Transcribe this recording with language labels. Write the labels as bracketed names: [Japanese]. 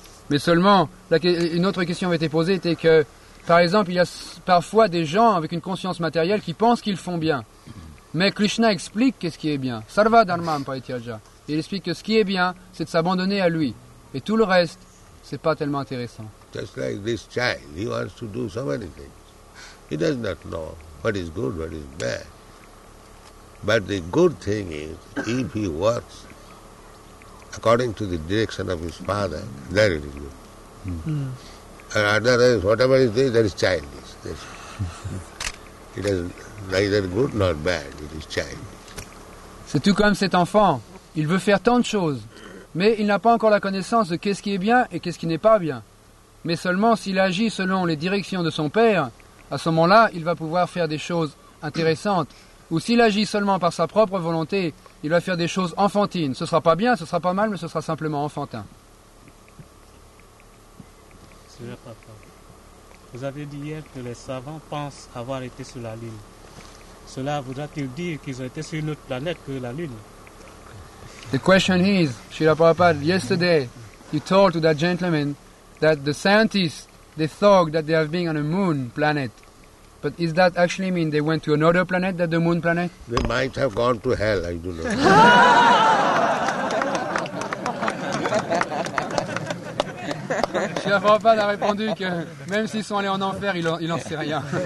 [French] Mais seulement, une autre question avait été posée, était que, par exemple, il y a parfois des gens avec une conscience matérielle qui pensent qu'ils font bien. Mais Krishna explique qu'est-ce qui est bien. [Sanskrit] Sarva dharmam paityaja. [French] Il explique que ce qui est bien, c'est de s'abandonner à lui. Et tout le reste, c'est pas tellement intéressant. [English] Just like this child, he wants to do so many things. He does not know what is good, what is bad. But the good thing is, if he works according to the direction of his father, then it is good. And otherwise, whatever it is, that is childish. That's it. It is neither good nor bad, it is childish. [French] C'est tout comme cet enfant. Il veut faire tant de choses, mais il n'a pas encore la connaissance de qu'est-ce qui est bien et qu'est-ce qui n'est pas bien. Mais seulement s'il agit selon les directions de son père, à ce moment-là, il va pouvoir faire des choses intéressantes. Ou s'il agit seulement par sa propre volonté, il va faire des choses enfantines. Ce ne sera pas bien, ce ne sera pas mal, mais ce sera simplement enfantin. Monsieur Papa, vous avez dit hier que les savants pensent avoir été sur la Lune. Cela voudra-t-il dire qu'ils ont été sur une autre planète que la Lune? [English] The question is, Srila Prabhupada, yesterday you told to that gentleman that the scientists, they thought that they have been on a moon planet. But is that actually mean they went to another planet than the moon planet? They might have gone to hell, I do not know. [French] Srila Prabhupada a répondu que même s'ils sont allés en enfer, il n'en sait rien.